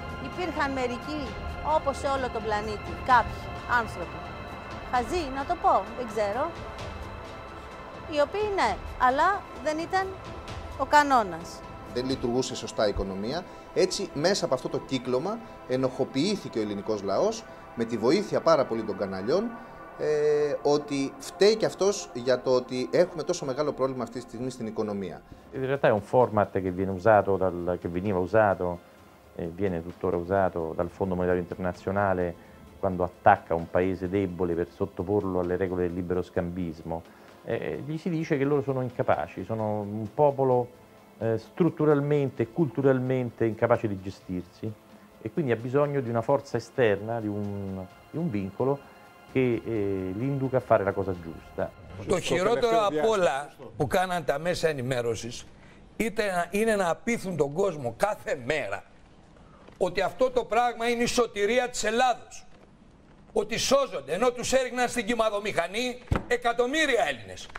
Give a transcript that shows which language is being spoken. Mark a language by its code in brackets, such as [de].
[el] Υπήρχαν μερικοί, όπως σε όλο τον πλανήτη, κάποιοι άνθρωποι, χαζοί να το πω, δεν ξέρω, οι οποίοι ναι, αλλά δεν ήταν ο κανόνας. Δεν λειτουργούσε σωστά η οικονομία, έτσι μέσα από αυτό το κύκλωμα ενοχοποιήθηκε ο ελληνικός λαός με τη βοήθεια πάρα πολύ των καναλιών, ότι φταίει και αυτός για το ότι έχουμε τόσο μεγάλο πρόβλημα αυτή τη στιγμή στην οικονομία. [it] In realtà è un format che viene usato che veniva usato e viene tuttora usato dal Fondo Monetario Internazionale quando attacca un paese debole per sottoporlo alle regole del libero scambismo. Gli si dice che loro sono incapaci, sono un popolo strutturalmente e culturalmente incapace di gestirsi e quindi ha bisogno di una forza esterna, di un vincolo che li induca a fare la cosa giusta. [el] Το χειρότερο απ' όλα που κάναν τα μέσα ενημέρωσης είναι να απείθουν τον κόσμο κάθε μέρα ότι αυτό το πράγμα είναι η σωτηρία της Ελλάδος. Ότι σώζονται, ενώ τους έριχναν στην κυμαδομηχανή εκατομμύρια Έλληνες.